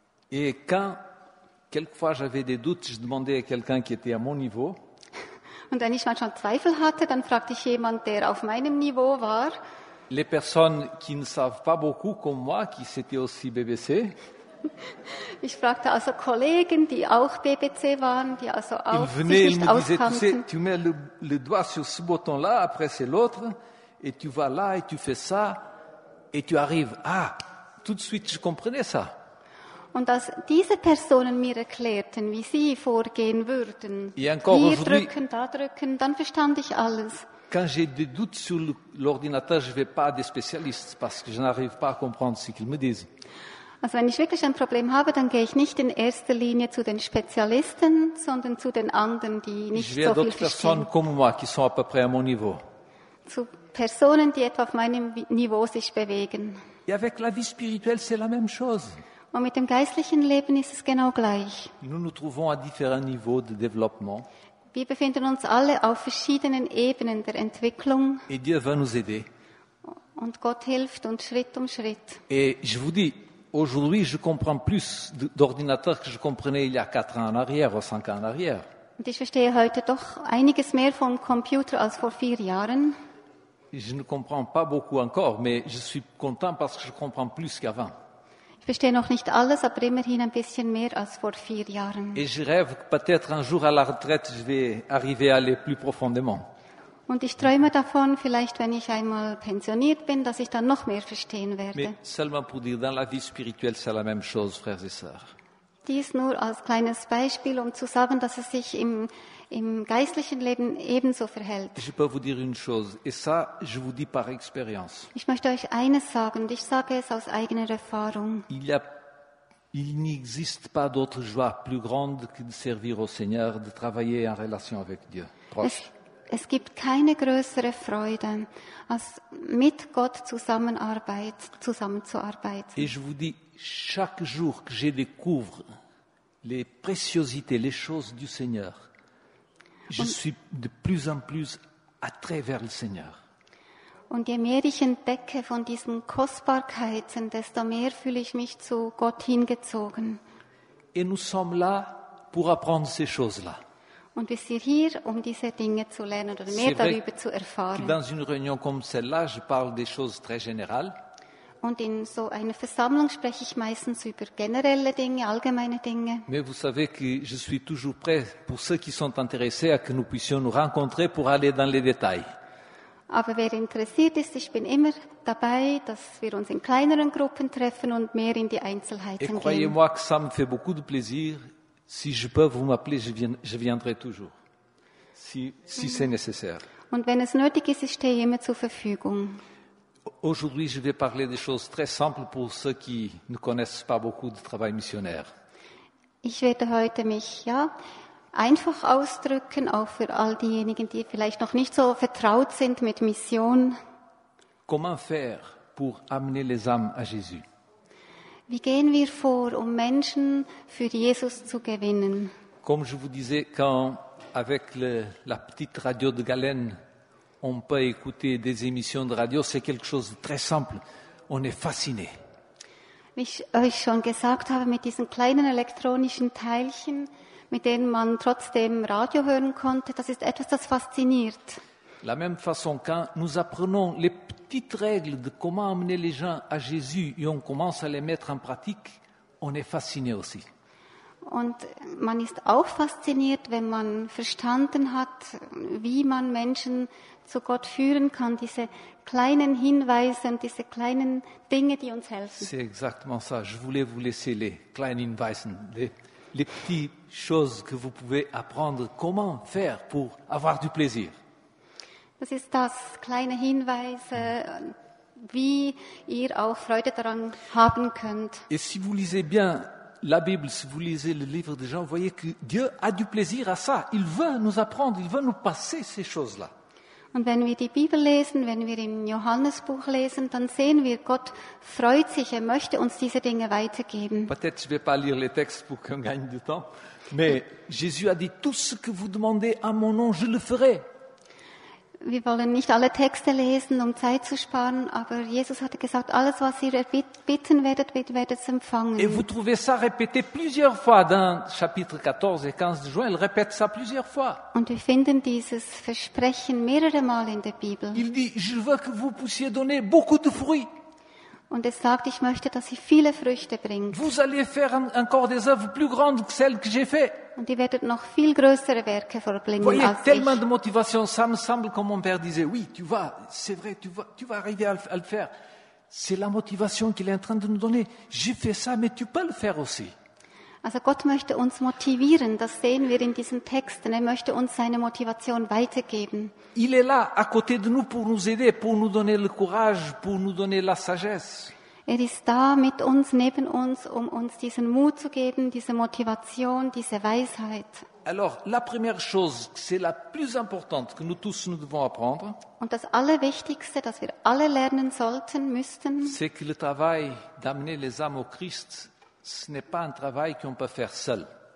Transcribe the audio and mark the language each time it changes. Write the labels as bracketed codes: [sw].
[fr] Et quand quelquefois j'avais des doutes, je demandais à quelqu'un qui était à mon niveau. [de] Und wenn ich manchmal Zweifel hatte, dann fragte ich jemanden, der auf meinem Niveau war. [fr] Les personnes qui ne savent pas beaucoup comme moi, qui c'était aussi BBC. [de] Ich fragte also Kollegen, die auch BBC waren, die also auch [fr] venait, [de] sich nicht auskannten. [fr] Tu sais, tu mets le doigt sur ce bouton-là, après c'est l'autre, et tu vas là, et tu fais ça, et tu arrives. Ah, tout de suite, je comprenais ça. [de] Und dass diese Personen mir erklärten, wie sie vorgehen würden, hier drücken, da drücken, dann verstand ich alles. [fr] Quand j'ai des doutes sur l'ordinateur, je ne vais pas à des spécialistes, parce que je n'arrive pas à comprendre ce qu'ils me disent. [de] Also wenn ich wirklich ein Problem habe, dann gehe ich nicht in erster Linie zu den Spezialisten, sondern zu den anderen, die nicht so viel verstehen. [fr] Je vais à d'autres personnes comme moi, qui sont à peu près à mon niveau. [de] Zu Personen, die etwa auf meinem Niveau sich bewegen. [fr] Et avec la vie spirituelle, c'est la même chose. [de] Und mit dem geistlichen Leben ist es genau gleich. [fr] Nous nous trouvons à différents niveaux de développement. [de] Wir befinden uns alle auf verschiedenen Ebenen der Entwicklung. [fr] Et Dieu va nous aider. [de] Und Gott hilft uns Schritt um Schritt. [fr] Et je vous dis, aujourd'hui, je comprends plus d'ordinateurs que je comprenais il y a 4 ans en arrière ou 5 ans en arrière. [de] Und ich verstehe heute doch einiges mehr vom Computer als vor 4 Jahren. [fr] Je ne comprends pas beaucoup encore, mais je suis content parce que je comprends plus qu'avant. [de] verstehe noch nicht alles, aber immerhin ein bisschen mehr als vor 4 Jahren. [fr] Et je rêve que peut-être un jour à la retraite, je vais arriver à aller plus profondément. [de] Und ich träume davon, vielleicht wenn ich einmal pensioniert bin, dass ich dann noch mehr verstehen werde. [fr] Mais seulement pour dire, dans la vie spirituelle, c'est la même chose, frères et sœurs. [de] Dies nur als kleines Beispiel, um zu sagen, dass es sich im geistlichen Leben ebenso verhält. [fr] Je peux vous dire une chose, et ça, je vous dis par expérience. [de] Ich möchte euch eines sagen, und ich sage es aus eigener Erfahrung. [fr] Il n'existe pas d'autre joie plus grande que de servir au Seigneur, de travailler en relation avec Dieu, proche. [de] Es gibt keine größere Freude, als mit Gott zusammenzuarbeiten. [fr] Et je vous dis, chaque jour que je découvre les préciosités, les choses du Seigneur, je suis de plus en plus attrait vers le Seigneur. [de] Und je mehr ich entdecke von diesen Kostbarkeiten, desto mehr fühle ich mich zu Gott hingezogen. [fr] Et nous sommes là pour apprendre ces choses-là. [de] Und wir sind hier, um diese Dinge zu lernen oder mehr darüber zu erfahren. [fr] Dans une réunion comme celle-là, je parle des choses très générales. [de] Und in so einer Versammlung spreche ich meistens über generelle Dinge, allgemeine Dinge. [fr] Mais vous savez que je suis toujours prêt pour ceux qui sont intéressés à que nous puissions nous rencontrer pour aller dans les détails. [de] Aber wer interessiert ist, ich bin immer dabei, dass wir uns in kleineren Gruppen treffen und mehr in die Einzelheiten gehen. [fr] Et croyez-moi que ça me fait beaucoup de plaisir. Si je peux vous m'appeler, je viendrai toujours, si c'est nécessaire. [de] Und wenn es nötig ist, ich stehe immer zur Verfügung. [fr] Aujourd'hui, je vais parler des choses très simples pour ceux qui ne connaissent pas beaucoup de travail missionnaire. [de] Ich werde heute mich ja einfach ausdrücken, auch für all diejenigen, die vielleicht noch nicht so vertraut sind mit Mission. [fr] Comment faire pour amener les âmes à Jésus? [de] Wie gehen wir vor, um Menschen für Jesus zu gewinnen? [fr] Comme je vous disais, quand avec la petite radio de Galène, on peut écouter des émissions de radio, c'est quelque chose de très simple. On est fasciné. [de] Wie ich euch schon gesagt habe, mit diesen kleinen elektronischen Teilchen, mit denen man trotzdem Radio hören konnte, das ist etwas, das fasziniert. [fr] La même façon, quand nous apprenons les petites règles de comment amener les gens à Jésus et on commence à les mettre en pratique, on est fasciné aussi. [de] Und man ist auch fasziniert, wenn man verstanden hat, wie man Menschen zu Gott führen kann, diese kleinen Hinweise und diese kleinen Dinge, die uns helfen. [fr] C'est exactement ça. Je voulais vous laisser les [de] kleinen Hinweisen, [fr] les petites choses que vous pouvez apprendre, comment faire pour avoir du plaisir. [de] Das ist das kleine Hinweise, wie ihr auch Freude daran haben könnt. [fr] Et si vous lisez bien la Bible, si vous lisez le livre de Jean, vous voyez que Dieu a du plaisir à ça. Il veut nous apprendre, il veut nous passer ces choses-là. [de] Und wenn wir die Bibel lesen, wenn wir im Johannesbuch lesen, dann sehen wir, Gott freut sich, er möchte uns diese Dinge weitergeben. [fr] Peut-être je vais pas lire les textes pour qu'on gagne du temps, mais Jésus a dit tout ce que vous demandez à mon nom, je le ferai. [de] Wir wollen nicht alle Texte lesen, um Zeit zu sparen, aber Jesus hat gesagt, alles, was ihr bitten werdet, werdet ihr empfangen. [fr] Et vous trouvez ça répété plusieurs fois dans chapitre 14 et 15 de Jean, il répète ça plusieurs fois. [de] Und wir finden dieses Versprechen mehrere Male in der Bibel. [fr] Il dit, je veux que vous puissiez donner beaucoup de fruits. [de] Und es sagt, ich möchte, dass ihr viele Früchte bringt. [fr] Vous allez faire encore des œuvres plus grandes que celles que j'ai fait. [de] Und ihr werdet noch viel größere Werke vollbringen [fr] voyez, [de] als [fr] tellement [de] ich. [fr] De motivation, ça me semble comme mon père disait, oui, tu vas, c'est vrai, tu vas arriver à le faire. C'est la motivation qu'il est en train de nous donner. J'ai fait ça, mais tu peux le faire aussi. [de] Also Gott möchte uns motivieren, das sehen wir in diesen Texten. Er möchte uns seine Motivation weitergeben. [fr] Il est là, à côté de nous, pour nous aider, pour nous donner le courage, pour nous donner la sagesse. [de] Er ist da mit uns, neben uns, um uns diesen Mut zu geben, diese Motivation, diese Weisheit. [fr] Alors, la première chose, c'est la plus importante que nous tous nous devons apprendre. [de] Und das Allerwichtigste, das wir alle lernen sollten, müssten. [fr] C'est que le travail d'amener les âmes au Christ, ce n'est pas un travail qu'on peut faire seul.